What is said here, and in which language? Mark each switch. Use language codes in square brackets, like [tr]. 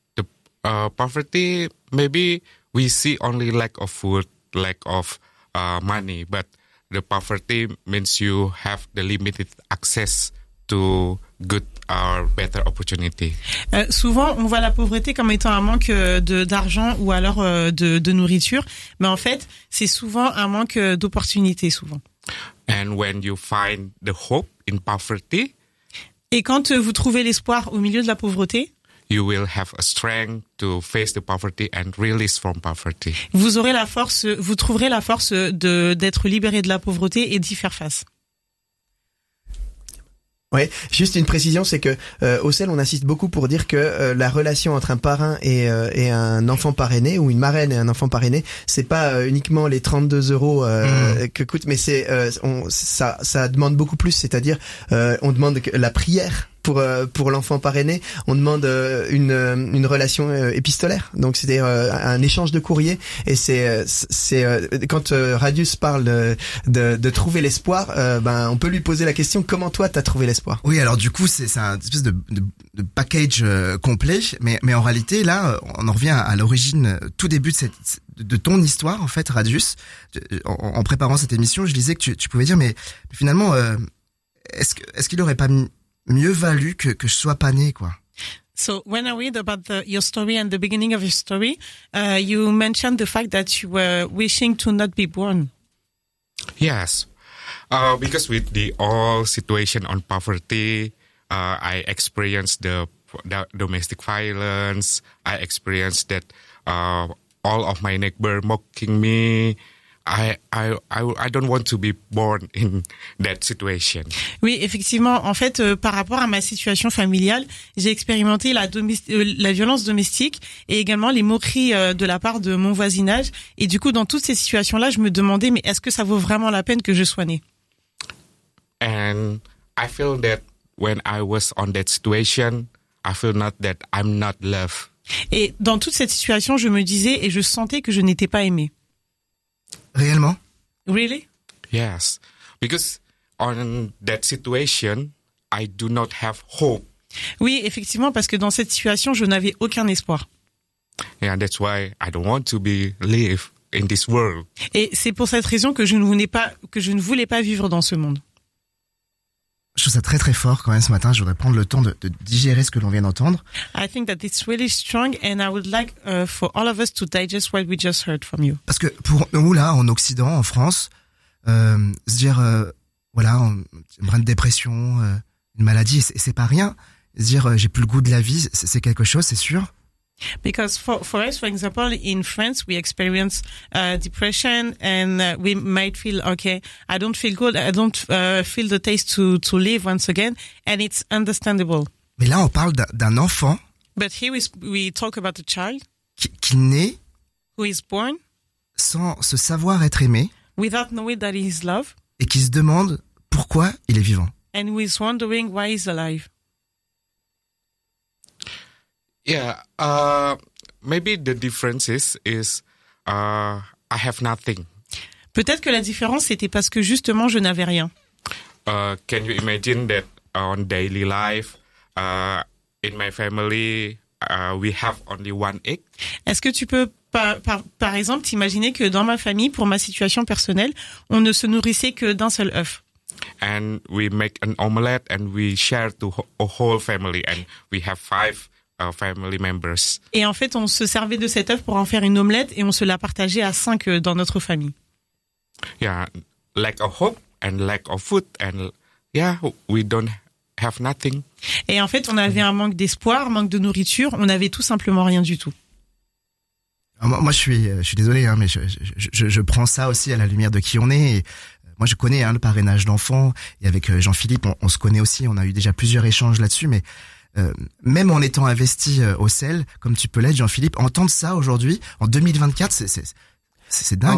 [en] The poverty, maybe we see only lack of food, lack of money, but the poverty means you have the limited access to good or better opportunity. [fr] Souvent, on voit la pauvreté comme étant un manque d'argent ou alors de nourriture, mais en fait, c'est souvent un manque d'opportunités, souvent. [en] And when you find the hope in poverty, [fr] et quand vous trouvez l'espoir au milieu de la pauvreté, [en] you will have a strength to face the poverty and release from poverty. [fr] Vous aurez la force, vous trouverez la force d'être libéré de la pauvreté et d'y faire face. Ouais, juste une précision, c'est que au CEL, on insiste beaucoup pour dire que la relation entre un parrain et un enfant parrainé, ou une marraine et un enfant parrainé, c'est pas uniquement les 32 € que coûte, mais c'est ça demande beaucoup plus. C'est-à-dire, on demande la prière pour l'enfant parrainé, on demande une relation épistolaire, donc c'est-à-dire un échange de courrier, et c'est quand Radius parle de trouver l'espoir, ben on peut lui poser la question, comment toi t'as trouvé l'espoir? Oui, alors du coup c'est un espèce de package complet, mais en réalité là on en revient à l'origine, tout début de ton histoire en fait, Radius. En préparant cette émission, je disais que tu pouvais dire mais finalement est-ce qu'il aurait pas mieux valu que je sois pas né, quoi. [en] So when I read about your story and the beginning of your story, you mentioned the fact that you were wishing to not be born. Yes, because with the all situation on poverty, I experienced the domestic violence. I experienced that all of my neighbor mocking me. I don't want to be born in that situation. [fr] Oui, effectivement, en fait, par rapport à ma situation familiale, j'ai expérimenté la violence domestique et également les moqueries de la part de mon voisinage. Et du coup, dans toutes ces situations-là, je me demandais, mais est-ce que ça vaut vraiment la peine que je sois née? [en] And I feel that when I was on that situation, I feel not that I'm not loved. [fr] Et dans toute cette situation, je me disais et je sentais que je n'étais pas aimée. Réellement? [en] Really? Yes. Because on that situation, I do not have hope. [fr] Oui, effectivement, parce que dans cette situation, je n'avais aucun espoir. [en] And that's why I don't want to be live in this world. [fr] Et c'est pour cette raison que je ne voulais pas vivre dans ce monde. Je trouve ça très très fort quand même ce matin. Je voudrais prendre le temps de digérer ce que l'on vient d'entendre. [en] I think that it's really strong and I would like for all of us to digest what we just heard from you. [fr] Parce que pour nous là, en Occident, en France, se dire voilà, un brin de dépression, une maladie, c'est pas rien. Se dire j'ai plus le goût de la vie, c'est quelque chose, c'est sûr. [en] Because for us, for example, in France, we experience depression and we might feel, okay, I don't feel good. I don't feel the taste to live once again. And it's understandable. [fr] Mais là, on parle d'un enfant. [en] But here we talk about a child. [fr] Qui naît. [en] Who is born. [fr] Sans se savoir être aimé. [en] Without knowing that he is loved. [fr] Et qui se demande pourquoi il est vivant. [en] And who is wondering why he is alive. Yeah, maybe the difference is I have nothing. [fr] Peut-être que la différence c'était parce que justement je n'avais rien. [en] Can you imagine that on daily life, in my family, we have only one egg? [fr] Est-ce que tu peux par exemple t'imaginer que dans ma famille, pour ma situation personnelle, on ne se nourrissait que d'un seul œuf? [en] And we make an omelette and we share to a whole family and we have five. Family members. [fr] Et en fait, on se servait de cet œuf pour en faire une omelette et on se la partageait à cinq dans notre famille. [en] Yeah, lack of hope and lack of food and yeah, we don't have nothing. [fr] Et en fait, on avait un manque d'espoir, manque de nourriture, on avait tout simplement rien du tout. Moi je suis désolé, hein, mais je prends ça aussi à la lumière de qui on est. Et moi, je connais le parrainage d'enfants et avec Jean-Philippe, on se connaît aussi, on a eu déjà plusieurs échanges là-dessus, mais même en étant investi au sel, comme tu peux l'être, Jean-Philippe, entendre ça aujourd'hui, en 2024, c'est dingue.